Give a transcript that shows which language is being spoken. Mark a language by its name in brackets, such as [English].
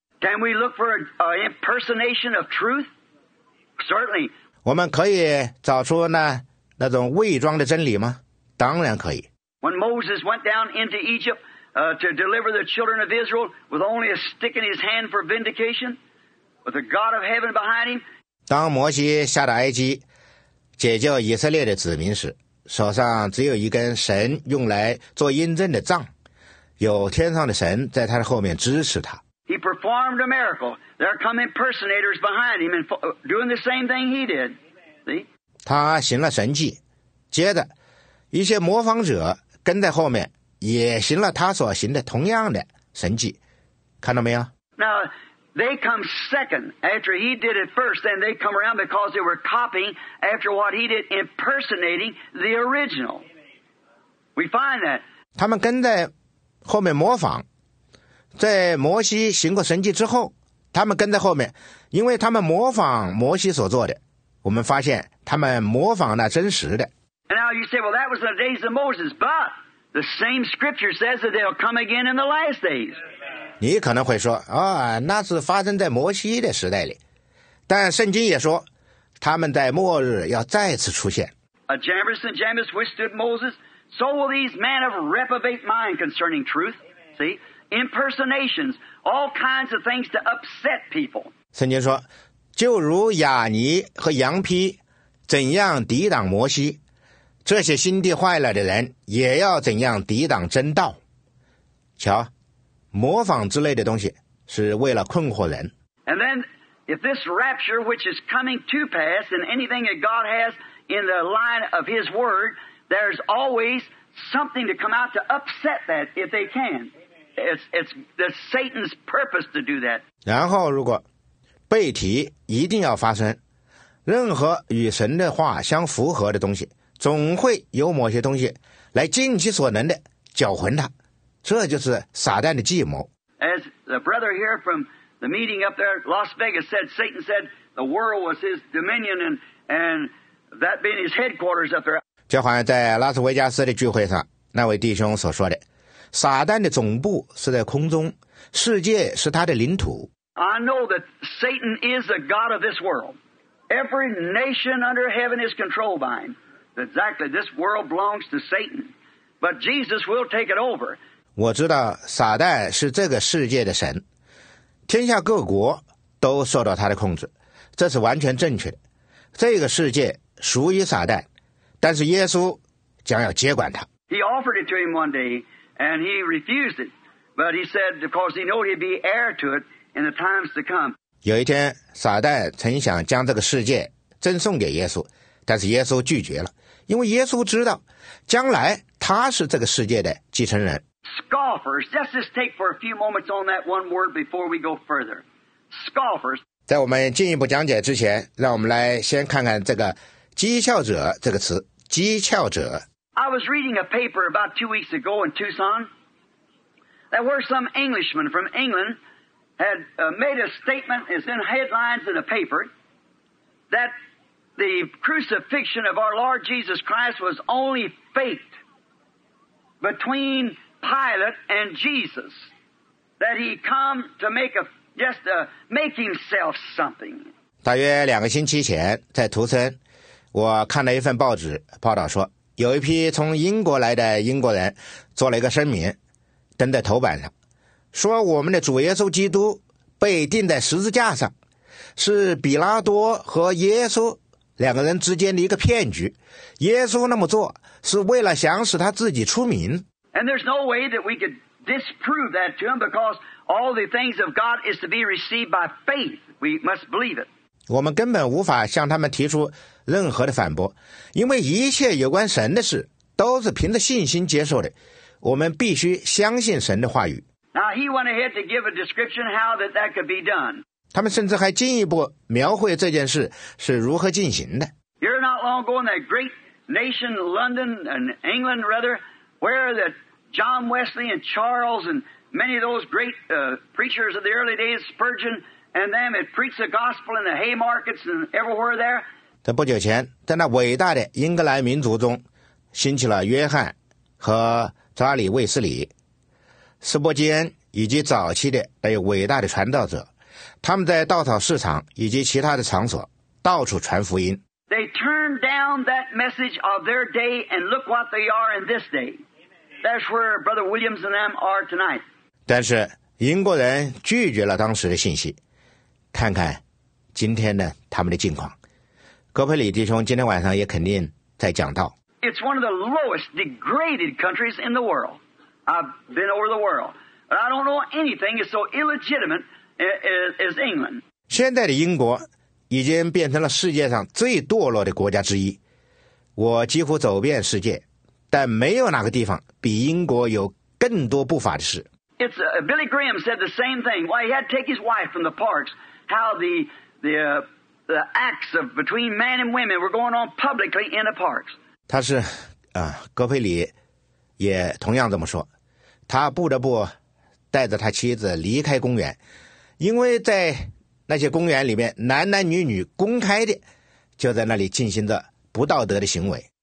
[English] Can we look for an impersonation of truth? Certainly [Chinese] 我们可以找出那种伪装的真理吗当然可以 [English] When Moses went down into Egypt to deliver the children of Israel with only a stick in his hand for vindication with the God of heaven behind him [Chinese] 当摩西下到埃及解救以色列的子民时手上只有一根神用来做印证的杖有天上的神在他的后面支持他 [English] He performed a miracle There come impersonators behind him and doing the same thing he did See? [Chinese] 他行了神迹接着一些模仿者跟在后面也行了他所行的同样的神迹看到没有 [English] Now they come second after he did it first then they come around because they were copying after what he did impersonating the original We find that. [Chinese] 他们跟在后面模仿，在摩西行过神迹之后，他们跟在后面，因为他们模仿摩西所做的，我们发现他们模仿那真实的。 [English] And now you say, well, that was the days of Moses, but the same scripture says that they'll come again in the last days. [Chinese] 你可能会说，啊，那是发生在摩西的时代里，但圣经也说，他们在末日要再次出现。 [English] A Jabez and Jabez withstood Moses, so will these men of reprobate mind concerning truth. See, impersonations, all kinds of things to upset people. [Chinese] 圣经说，就如亚尼和羊皮怎样抵挡摩西，这些心地坏了的人也要怎样抵挡真道。瞧，模仿之类的东西是为了困惑人。 [English] And then, if this rapture which is coming to pass and anything that God has in the line of His Word, there's always something to come out to upset that if they can. It's Satan's purpose to do that. [Chinese] 然后如果背题一定要发生，任何与神的话相符合的东西，总会有某些东西来尽其所能的搅浑它，这就是撒旦的计谋。 [English] As the brother here from the meeting up there, Las Vegas said, Satan said the world was his dominion and that being his headquarters up there. [Chinese] 就好像在拉斯维加斯的聚会上，那位弟兄所说的，撒旦的总部是在空中，世界是他的领土。 [English] I know that Satan is the god of this world. Every nation under heaven is controlled by him. Exactly, this world belongs to Satan. But Jesus will take it over. [Chinese] 我知道撒旦是这个世界的神，天下各国都受到他的控制，这是完全正确的。这个世界属于撒旦，但是耶稣将要接管他。 [English] He offered it to him one day, and he refused it. But he said, of course, he knew he'd be heir to it. In the times to come. [Chinese] 有一天撒旦曾想将这个世界赠送给耶稣，但是耶稣拒绝了，因为耶稣知道将来他是这个世界的继承人。 [English] Scoffers, let's just take for a few moments on that one word before we go further. Scoffers. [Chinese] 在我们进一步讲解之前，让我们来先看看这个讥诮者这个词，讥诮者。 [English] I was reading a paper about 2 weeks ago in Tucson. There were some Englishmen from Englandhad made a statement, it's in headlines in a paper, that the crucifixion of our Lord Jesus Christ was only faked between Pilate and Jesus, that he come to make a, just a, make himself something. [Chinese] 大约两个星期前在图森，我看了一份报纸报道说，有一批从英国来的英国人做了一个声明，登在头版上，说我们的主耶稣基督被钉在十字架上，是比拉多和耶稣两个人之间的一个骗局，耶稣那么做是为了想使他自己出名。 [English] And there's no way that we could disprove that to him because all the things of God is to be received by faith. We must believe it. [Chinese] 我们根本无法向他们提出任何的反驳，因为一切有关神的事都是凭着信心接受的，我们必须相信神的话语。 [English] Now he went ahead to give a description how that could be done. [Chinese] 他们甚至还进一步描绘这件事是如何进行的。 [English] Here not long ago in that great nation, London and England rather, where that John Wesley and Charles and many of those great preachers of the early days, Spurgeon and them, had preached the gospel in the hay markets and everywhere there. [Chinese] 在不久前，在那伟大的英格兰民族中，兴起了约翰和查理·卫斯理。斯伯基恩以及早期的那些伟大的传道者，他们在稻草市场以及其他的场所到处传福音。 [English] They turned down that message of their day and look what they are in this day. That's where Brother Williams and them are tonight. [Chinese] 但是英国人拒绝了当时的信息，看看今天呢他们的境况。格佩里弟兄今天晚上也肯定在讲道。 [English] It's one of the lowest degraded countries in the world. I've been over the world, but I don't know anything is so illegitimate as England. [Chinese] 现在的英国已经变成了世界上最堕落的国家之一。我几乎走遍世界，但没有哪个地方比英国有更多不法的事。 [English] It's Billy Graham said the same thing. Why he had to take his wife from the parks? How the acts of between men and women were going on publicly in the parks. [Chinese] 他是啊，格佩里也同样这么说，他不得不带着他妻子离开公园，因为在那些公园里面，男男女女公开的就在那里进行着不道德的行为。